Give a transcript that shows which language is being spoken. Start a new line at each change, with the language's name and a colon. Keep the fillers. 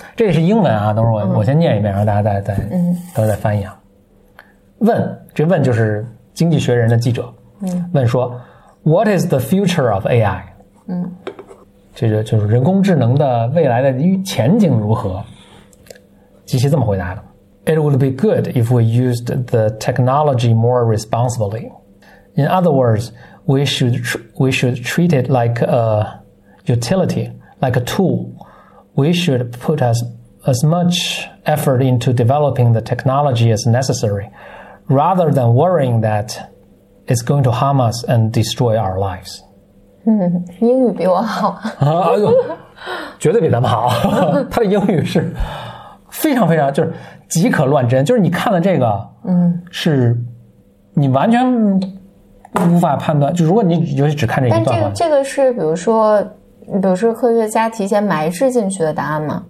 Chinese: 这也是英文啊，等会儿我我先念一遍，然后大家再再，嗯，等会儿再翻译啊。问这问就是《经济学人》的记者嗯，问说：
English: “What is the future of AI？”
Chinese: 嗯，这个就是人工智能的未来的前景如何？机器这么回答的：
English: “It would be good if we used the technology more responsibly。 ” In other words, we should we should treat it like a utility, like a tool. We should put as as much effort into developing the technology as necessary, rather than worrying that it's going to harm us and destroy our lives.
Chinese: 嗯，英语比我好。啊，绝对比咱们好。他的英语是非常非常就是即可乱真，就是你看了这个，嗯，是，你完全。无法判断，就如果你尤其只看这一段。但这个这个是，比如说，比如说科学家提前埋置进去的答案吗？